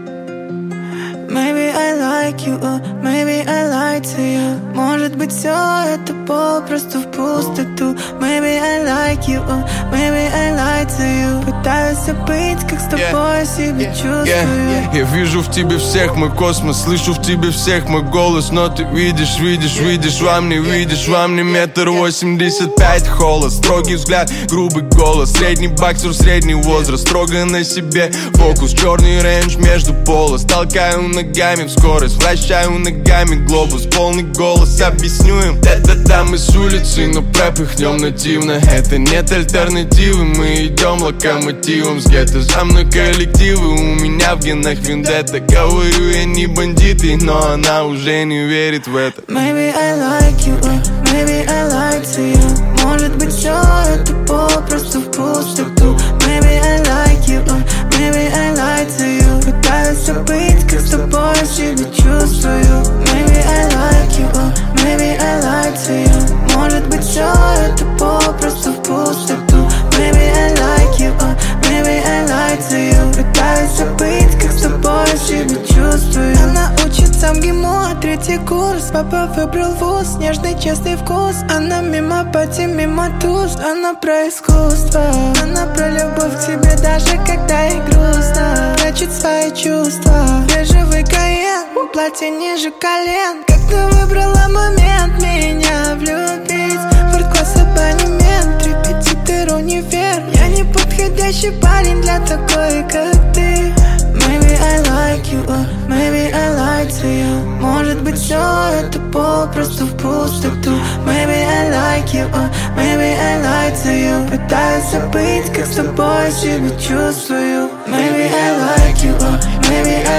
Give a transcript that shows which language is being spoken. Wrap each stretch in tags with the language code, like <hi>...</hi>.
<en>like you, maybe I lied to you.</en> <ru>Может быть, все это попросту в пустоту.</ru> <en>Maybe I like you, maybe I lied to you.</en> <ru>Пытаюсь забыть, как с тобой себя чувствую. Я вижу в тебе всех мой космос, слышу в тебе всех мой голос. Но ты видишь, видишь, видишь, во мне видишь. Во мне 1.85 м, холост. Строгий взгляд, грубый голос. Средний боксер, средний возраст. Строго на себе фокус. Черный рейндж между полос. Толкаю ногами в скорость. Вращаю ногами глобус. Полный голос, объясню им. Да-да-да, мы с улицы, но пропихнем нативно. Это нет альтернативы, мы идем локомотивом. С гетто за мной коллективы, у меня в генах вендетта. Говорю, я не бандиты, но она уже не верит в это.</ru> <en>Maybe I like you, maybe I lied to you.</en> <ru>Может быть, все это попросту в пустоту.</ru> <en>Maybe I like you, maybe I lied to you.</en> <ru>Пытаюсь забыть, как с тобой себя чувствую.</ru> <en>Maybe I like you, maybe I lied to you.</en> <ru>Может быть, все это попросту в пустоту.</ru> <en>Maybe I like you, maybe I lied to you.</en> <ru>Пытаюсь забыть, как с тобой себя чувствую. Она учится в ГИМО, третий курс. Папа выбрал вуз, нежный, честный вкус. Она мимо пати, мимо туз. Она про искусство. Она про любовь к тебе, даже когда ей грустно. Прячет свои чувства. Бежевый Каен, платье ниже колен. Как ты выбрала момент меня влюбить? Форт-класс, абонемент, репетитор, универ. Я не подходящий парень для такой, как ты.</ru> <en>Maybe I like you, maybe I lied to you.</en> <ru>Может быть, все это попросту в пустоту.</ru> <en>Maybe I like you, maybe I lied to you.</en> <ru>Пытаюсь забыть, как с тобой себя чувствую.</ru> <en>Maybe I like you, maybe I lied to you.</en>